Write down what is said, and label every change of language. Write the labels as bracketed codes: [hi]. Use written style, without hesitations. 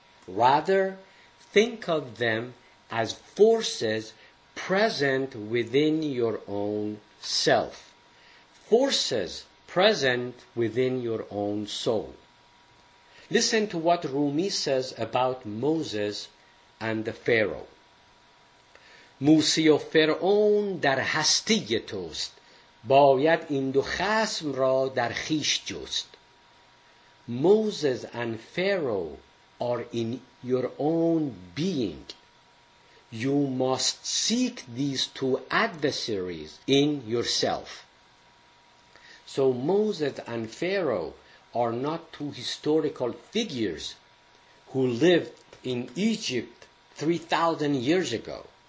[en] Rather, think of them as forces present within your own self, forces present within your own soul. Listen to what Rumi says about Moses and the Pharaoh. [fa] موسی و فرعون در هستی توست، باید این دو خصم را در خیش جست. [en] Moses and Pharaoh are in your own being. You must seek these two adversaries in yourself. So Moses and Pharaoh are not two historical figures who lived in Egypt 3,000 years ago.